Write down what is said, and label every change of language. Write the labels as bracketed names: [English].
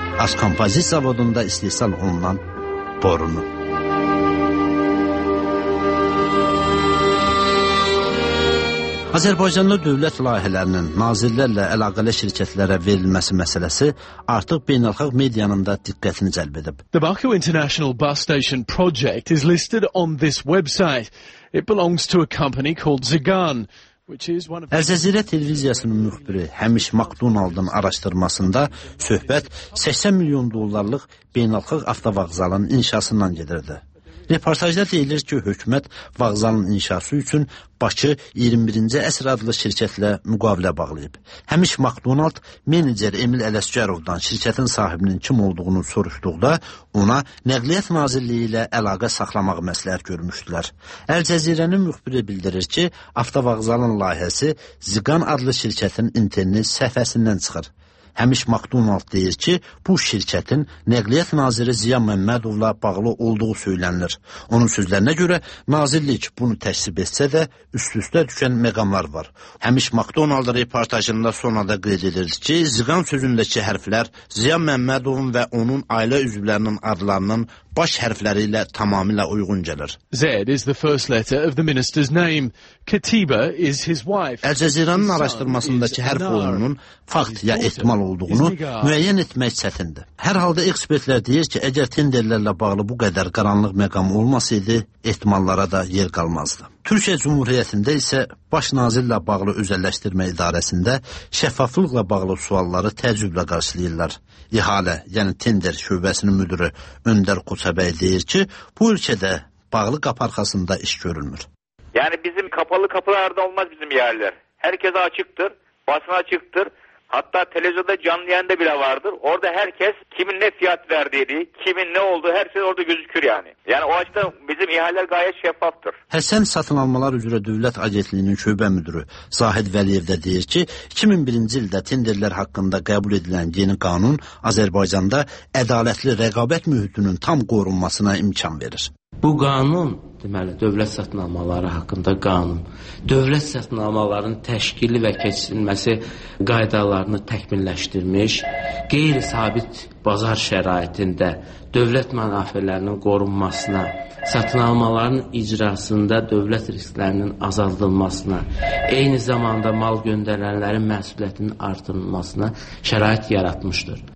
[Azerbaijani] Az kompozit zavodunda istehsal olunan borunu. Azərbaycanda dövlət layihələrinin nazirlərlə əlaqəli şirkətlərə verilməsi məsələsi artıq beynəlxalq medianın da diqqətini cəlb edib. [English] The Baku International Bus Station project is listed on this website. It belongs to a company called Zigan. [Azerbaijani] Əl-Cəzirə televiziyasının müxbiri Həmiş Makdonaldın araşdırmasında söhbət 80 milyon dollarlıq beynəlxalq avtovağzalın inşasından gedirdi. Reportajda deyilir ki, hökumət vağzalın inşası üçün Bakı 21-ci əsr adlı şirkətlə müqavilə bağlayıb. Həmiş Makdonald menedjer Emil Ələsgərovdan şirkətin sahibinin kim olduğunu soruşduqda ona Nəqliyyat Nazirliyi ilə əlaqə saxlamaq məsləhət görmüşdülər. Əl-Cəzirənin müxbiri bildirir ki, avtovağzalın layihəsi Zigan adlı şirkətin internet səhifəsindən çıxır. Həmiş Makdonald deyir ki, bu şirkətin Nəqliyyat Naziri Ziyan Məmmədovla bağlı olduğu söylənilir. Onun sözlərinə görə, nazirlik bunu təsdiq etsə də, üst-üstə düşən məqamlar var. Həmiş Makdonald reportajında sonada qeyd edilir ki, Ziqan sözündəki hərflər Ziyan Məmmədovun və onun ailə üzvlərinin adlarının baş hərfləri ilə tamamilə uyğun gəlir. [English] Z is the first letter of the minister's name. Katiba is his wife. [Azerbaijani] Əl-Cəzirənin araşdırmasındakı hərf onun fakt ya ehtimal olduğunu müəyyən etmək çətindir. Hər halda ekspertlər deyir ki, əgər tenderlərlə bağlı bu qədər qaranlıq məqam olmasaydı, ehtimallara da yer qalmazdı. Türkiyə Cumhuriyyətində isə Baş Nazirlə bağlı özəlləşdirmə idarəsində şəffaflıqla bağlı sualları təəccüblə qarşılayırlar. İhalə, yəni tender şöbəsinin müdürü Öndər Qoçabəy deyir ki, bu ölkədə bağlı qapı arxasında iş görülmür. [Turkish] Yəni bizim kapalı kapılarda olmaz bizim yerlər. Hər kəs açıqdır, basın açıqdır. Hatta televizyonda canlı yayında bile vardır. Orada herkes kimin ne fiyat verdiği, kimin ne olduğu her şey orada gözükür yani. Yani o açıdan bizim ihaleler gayet şeffaftır. [Azerbaijani] Həsən Satın Almalar Üzrə Dövlət Agentliyinin şöbə müdürü Zahid Vəliyev də deyir ki, 2001-ci ildə tenderlər haqqında qəbul edilən yeni qanun Azərbaycanda ədalətli rəqabət mühitinin tam qorunmasına imkan verir. Bu qanun, deməli, dövlət satınamaları haqqında qanun, dövlət satınamalarının təşkili və keçirilməsi qaydalarını təkmilləşdirmiş, qeyri-sabit bazar şəraitində dövlət mənafələrinin qorunmasına, satınamaların icrasında dövlət risklərinin azaldılmasına, eyni zamanda mal göndərənlərin məsuliyyətinin artırılmasına şərait yaratmışdır.